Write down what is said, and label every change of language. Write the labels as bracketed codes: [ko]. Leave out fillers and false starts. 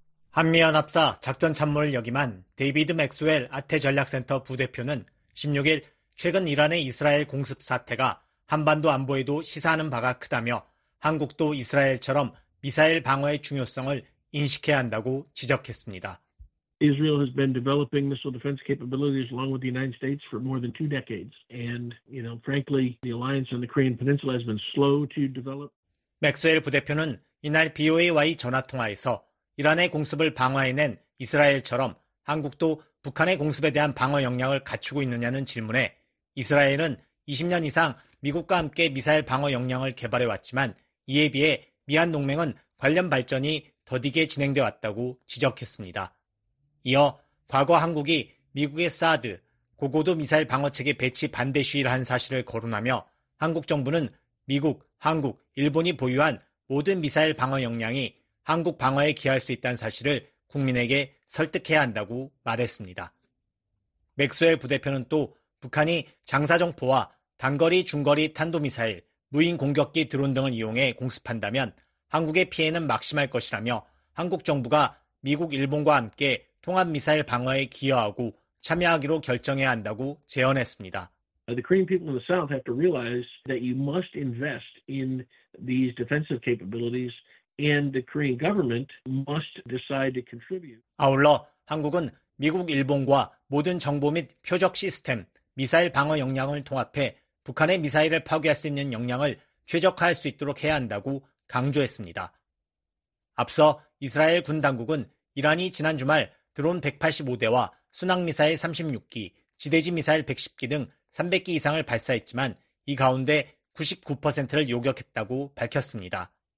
[ko] 한미연합사 작전참모를 역임한 데이비드 맥스웰 아태전략센터 부대표는 16일 최근 이란의 이스라엘 공습 사태가 한반도 안보에도 시사하는 바가 크다며 한국도 이스라엘처럼 미사일 방어의 중요성을 인식해야 한다고 지적했습니다. [en] Israel has been developing missile defense capabilities along with the United States for more than two decades. And, you know, frankly, the alliance on the Korean Peninsula has been slow to develop. [ko] 맥스웰 부대표는 이날 BOA와의 전화통화에서 이란의 공습을 방어해낸 이스라엘처럼 한국도 북한의 공습에 대한 방어 역량을 갖추고 있느냐는 질문에 이스라엘은 20년 이상 미국과 함께 미사일 방어 역량을 개발해왔지만 이에 비해 미한 동맹은 관련 발전이 더디게 진행돼 왔다고 지적했습니다. 이어 과거 한국이 미국의 사드, 고고도 미사일 방어체계 배치 반대 시위를 한 사실을 거론하며 한국 정부는 미국, 한국, 일본이 보유한 모든 미사일 방어 역량이 한국 방어에 기여할 수 있다는 사실을 국민에게 설득해야 한다고 말했습니다. 맥스웰 부대표는 또 북한이 장사정포와 단거리, 중거리, 탄도미사일, 무인공격기 드론 등을 이용해 공습한다면 한국의 피해는 막심할 것이라며 한국 정부가 미국, 일본과 함께 통합미사일 방어에 기여하고 참여하기로 결정해야 한다고 제언했습니다. [en] The Korean people in the South have to realize that you must invest in these defensive capabilities and the Korean government must decide to contribute. [ko] 아울러 한국은 미국, 일본과 모든 정보 및 표적 시스템, 미사일 방어 역량을 통합해 북한의 미사일을 파괴할 수 있는 역량을 최적화할 수 있도록 해야 한다고 강조했습니다. 앞서 이스라엘 군 당국은 이란이 지난 주말 드론 185대와 순항미사일 36기, 지대지 미사일 110기 등 300기 이상을 발사했지만 이 가운데 99%를 요격했다고 밝혔습니다.